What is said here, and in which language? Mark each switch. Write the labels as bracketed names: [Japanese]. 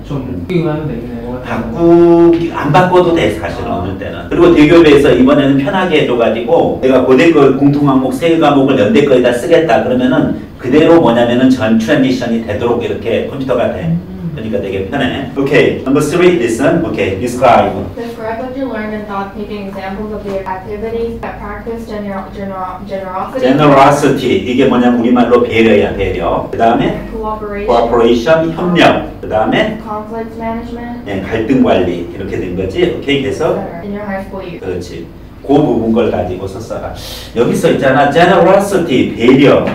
[Korean] 좀 바뀌면 되겠네요. 바꾸기 안 바꿔도 돼 사실은. 아. 어느 때는. 그리고 대교배에서 이번에는 편하게 해줘가지고 내가 고대 거 공통 항목 세 과목을 연대 거에다 쓰겠다 그러면은 그대로 뭐냐면은 전 트랜지션이 되도록 이렇게 컴퓨터가 돼. 그러니까 되게 편해. 오케이. 넘버 3 [English] listen. [Korean] 오케이. [English] Describe. Describe what you learned and thought, taking examples of the activities that practiced generosity. [Korean] 이게 뭐냐면 우리말로 배려야, 배려. 그다음에 [English] cooperation [Korean] 협력. 그다음에 [English] conflict management. [Korean] 네, 갈등 관리. 이렇게 된 거지. 오케이. 그래서 [English] in your high school year. [Korean] 그렇지. 그 부분 걸 가지고 썼어라. 여기서 있잖아, generosity, 배려.